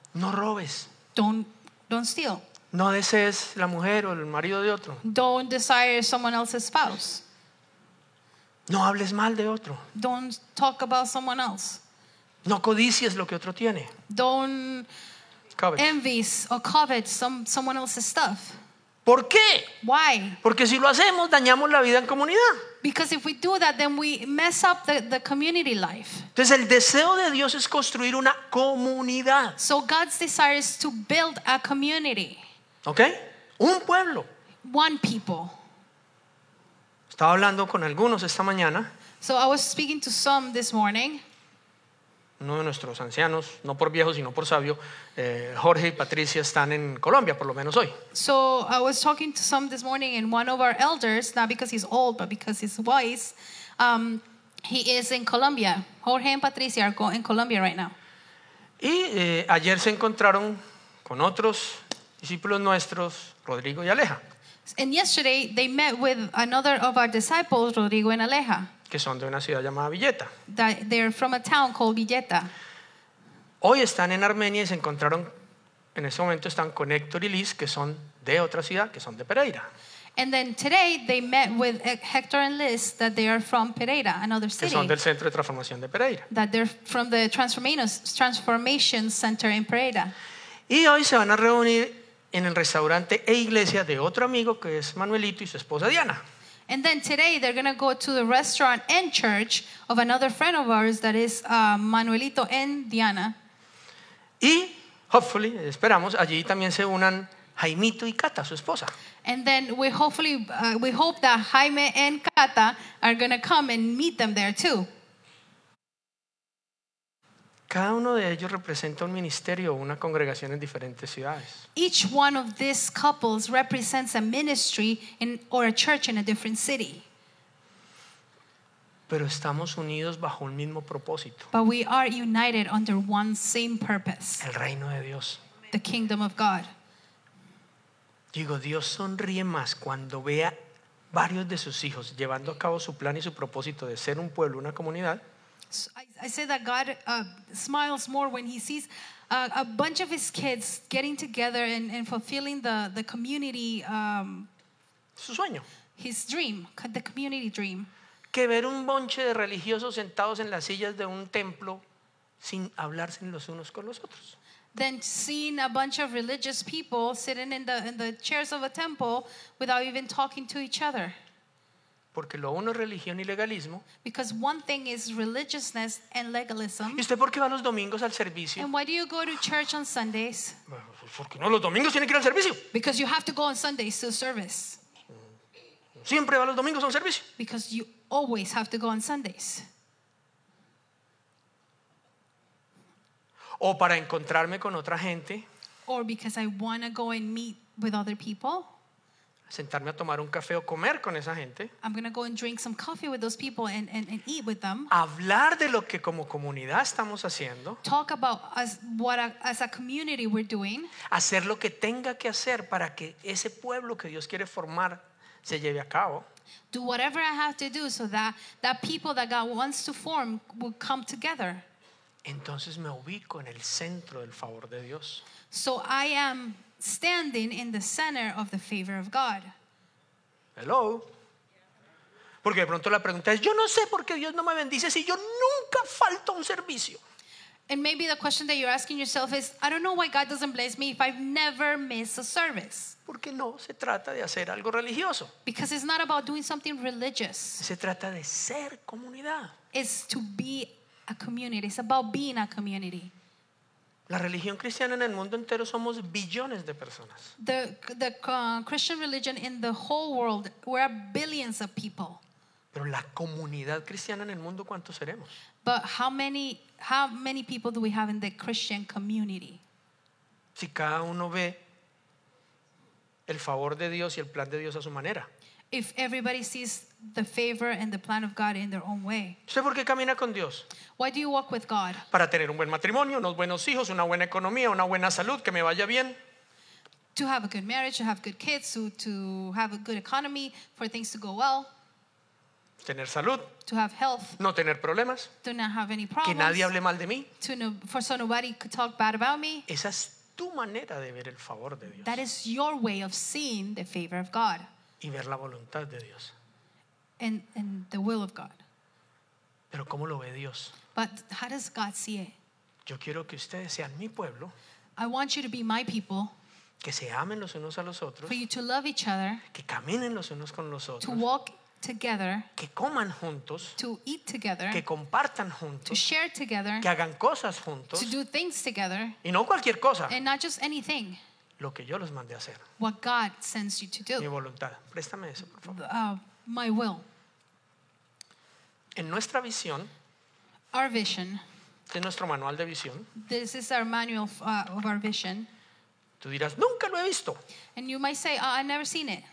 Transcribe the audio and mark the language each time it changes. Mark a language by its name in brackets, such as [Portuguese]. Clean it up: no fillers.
[Spanish] No robes. [English] Don't steal. [Spanish] No desees la mujer o el marido de otro. [English] Don't desire someone else's spouse. [Spanish] No hables mal de otro. [English] Don't talk about someone else. [Spanish] No codicies lo que otro tiene. [English] Don't covet. Envies or covet someone else's stuff. [Spanish] ¿Por qué? [English] Why? [Spanish] Porque si lo hacemos, dañamos la vida en comunidad. [English] Because if we do that, then we mess up the community life. [Spanish] Entonces, el deseo de Dios es construir una comunidad. [English] So God's desire is to build a community. [Spanish] Okay? Un pueblo. [English] One people. [Spanish] Estaba hablando con algunos esta mañana. [English] So I was speaking to some this morning. [Spanish] Uno de nuestros ancianos, no por viejo sino por sabio, Jorge y Patricia están en Colombia, por lo menos hoy. [English] So I was talking to some this morning, and one of our elders, not because he's old, but because he's wise, he is in Colombia. Jorge and Patricia are in Colombia right now. [Spanish] Y ayer se encontraron con otros discípulos nuestros, Rodrigo y Aleja. [English] And yesterday they met with another of our disciples, Rodrigo and Aleja. [Spanish] Que son de una ciudad llamada Villeta. [English] That they're from a town called Villeta. [Spanish] Hoy están en Armenia y se encontraron, en ese momento están con Héctor y Liz, que son de otra ciudad, que son de Pereira. [English] And then today they met with Hector and Liz, that they are from Pereira, another city. [Spanish] Que son del centro de transformación de Pereira. [English] That they're from the Transformation Center in Pereira. [Spanish] Y hoy se van a reunir en el restaurante e iglesia de otro amigo, que es Manuelito, y su esposa Diana. [English] And then today they're going to go to the restaurant and church of another friend of ours, that is Manuelito and Diana. [Spanish] Y [English] hopefully, [Spanish] esperamos, allí también se unan Jaimito y Cata, su esposa. [English] And then we hope that Jaime and Cata are going to come and meet them there too. [Spanish] Cada uno de ellos representa un ministerio o una congregación en diferentes ciudades. [English] Each one of these couples represents a ministry in or a church in a different city. [Spanish] Pero estamos unidos bajo un mismo propósito. [English] But we are united under one same purpose. [Spanish] El reino de Dios. [English] The kingdom of God. [Spanish] Digo, Dios sonríe más cuando ve a varios de sus hijos llevando a cabo su plan y su propósito de ser un pueblo, una comunidad. [English] I say that God smiles more when he sees a bunch of his kids getting together and fulfilling the community [Spanish] su sueño. [English] His dream, the community dream. [Spanish] Que ver un bonche de religiosos sentados en las sillas de un templo sin hablarse los unos con los otros. [English] Than seeing a bunch of religious people sitting in the chairs of a temple without even talking to each other. [Spanish] Porque lo uno es religión y legalismo. [English] Because one thing is religiousness and legalism. [Spanish] ¿Y usted por qué va los domingos al servicio? [English] And why do you go to church on Sundays? [Spanish] Porque no, los domingos tiene que ir al servicio. [English] Because you have to go on Sundays to service. [Spanish] Siempre va los domingos al servicio. [English] Because you always have to go on Sundays. [Spanish] O para encontrarme con otra gente. [English] Or because I want to go and meet with other people. [Spanish] sentarme a tomar un café o comer con esa gente. [English] I'm going to go and drink some coffee with those people and eat with them. [Spanish] Hablar de lo que como comunidad estamos haciendo. [English] Talk about as a community we're doing. [Spanish] Hacer lo que tenga que hacer para que ese pueblo que Dios quiere formar se lleve a cabo. [English] Do whatever I have to do so that that people that God wants to form will come together. [Spanish] Entonces me ubico en el centro del favor de Dios. [English] So I am standing in the center of the favor of God. Hello. [Spanish] Porque de pronto la pregunta es, yo no sé por qué Dios no me bendice si yo nunca falto un servicio. [English] And maybe the question that you're asking yourself is, I don't know why God doesn't bless me if I've never missed a service. [Spanish] Porque no se trata de hacer algo religioso. [English] Because it's not about doing something religious. [Spanish] Se trata de ser comunidad. [English] It's to be a community. It's about being a community. [Spanish] La religión cristiana en el mundo entero somos billones de personas. [English] The Christian religion in the whole world, we're billions of people. [Spanish] Pero la comunidad cristiana en el mundo, ¿cuántos seremos? [English] But how many people do we have in the Christian community? [Spanish] Si cada uno ve el favor de Dios y el plan de Dios a su manera. [English] If everybody sees the favor and the plan of God in their own way. [Spanish] ¿Usted por qué camina con Dios? [English] Why do you walk with God? [Spanish] Para tener un buen matrimonio, unos buenos hijos, una buena economía, una buena salud, que me vaya bien. [English] To have a good marriage, to have good kids, to have a good economy, for things to go well. [Spanish] Tener salud. [English] To have health. [Spanish] No tener problemas. [English] To not have any problems. [Spanish] Que nadie hable mal de mí. [English] So nobody could talk bad about me. [Spanish] Esa es tu manera de ver el favor de Dios. [English] That is your way of seeing the favor of God. [Spanish] Y ver la voluntad de Dios. [English] And the will of God. [Spanish] Pero ¿cómo lo ve Dios? [English] But how does God see it? [Spanish] Yo quiero que ustedes sean mi pueblo. [English] I want you to be my people. [Spanish] Que se amen los unos a los otros. [English] For you to love each other. [Spanish] Que caminen los unos con los otros. [English] To walk together. [Spanish] Que coman juntos. [English] To eat together. [Spanish] Que compartan juntos. [English] To share together. [Spanish] Que hagan cosas juntos. [English] To do things together. [Spanish] Y no cualquier cosa. [English] And not just anything. [Spanish] Lo que yo los mandé a hacer. [English] What God sends you to do. [Spanish] Mi voluntad. Préstame eso, por favor. [English] My will. [Spanish] En nuestra visión. [English] Our vision. [Spanish] De nuestro manual de visión. [English] This is our manual of our vision. [Spanish] Tú dirás, nunca lo he visto. [English] And you might say, oh, I've never seen it.